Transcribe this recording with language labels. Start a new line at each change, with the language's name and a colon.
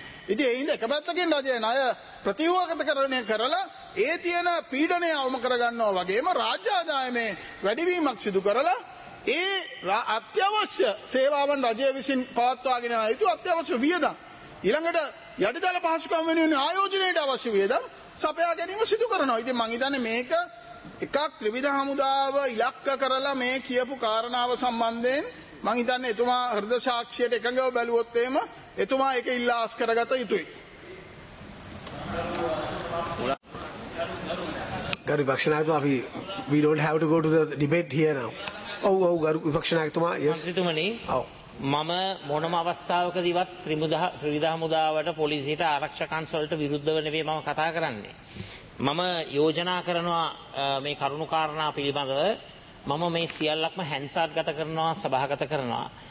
Sinhala: ඉතින් ඒ හින්දා එක පැත්තකින් රජය ණය ප්‍රතිවකතකරණය කරලා ඒ තියෙන පීඩනය අවම කරගන්නවා වගේම රාජ්‍ය ආදායමේ වැඩිවීමක් සිදු කරලා ඒ අත්‍යවශ්‍ය සේවාවන් රජය විසින් පවත්වාගෙන යා යුතු අත්‍යවශ්‍ය වියදම්, ඊළඟට යටිතල පහසුකම් වෙනුවෙන් ආයෝජනයට අවශ්‍ය වියදම් සපයා ගැනීම සිදු කරනවා. ඉතින් මං හිතන්නේ මේක එකක් ත්‍රිවිධ හමුදාව ඉලක්ක කරලා මේ කියපු කාරණාව සම්බන්ධයෙන් මං හිතන්නේ එතුමා හෘද සාක්ෂියට එකඟව බැලුවොත් එහෙම එතුමා ඒක ඉල්ලාස් කරගත යුතුයි. ගරු විපක්ෂනායකතුමා, අපි
English: we don't have to go to the debate here now.
Sinhala: ඔව් ගරු විපක්ෂනායකතුමා, yes. මන්ත්‍රීතුමනි, ඔව්. මම මොනම අවස්ථාවකදීවත් ත්‍රිවිධ හමුදාවට පොලිසියට ආරක්ෂක අංශවලට විරුද්ධව නෙවෙයි මම කතා කරන්නේ. මම යෝජනා කරනවා මේ කරුණු කාරණා පිළිබඳව මම මේ සියල්ලක්ම හැන්සාත් ගත කරනවා, සභාගත කරනවා.